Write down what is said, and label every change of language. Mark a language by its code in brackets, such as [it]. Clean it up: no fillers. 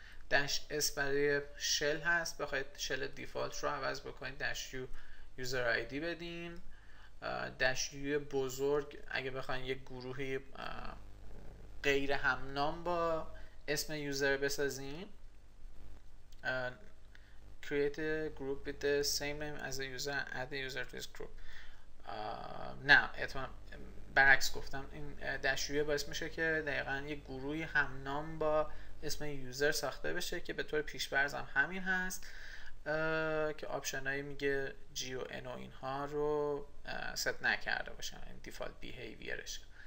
[fa] داش اس برای شل هست، بخواید شل دیفالت رو عوض بکنید داش یو یوزر آیدی بدین. داش یو بزرگ اگه بخواید یک گروهی غیر همنام با اسم یوزر بسازین. [en] create a group with the same name as the user add the user to this group. [fa] نه اتمن برعکس گفتم، این داش یو باعث میشه که دقیقاً یک گروهی همنام با اسم یوزر ساخته بشه که به طور پیشفرض هم همین هست. که آپشن هایی میگه جی و ان و اینها رو ست نکرده باشن، این دیفالت بیهیویرش.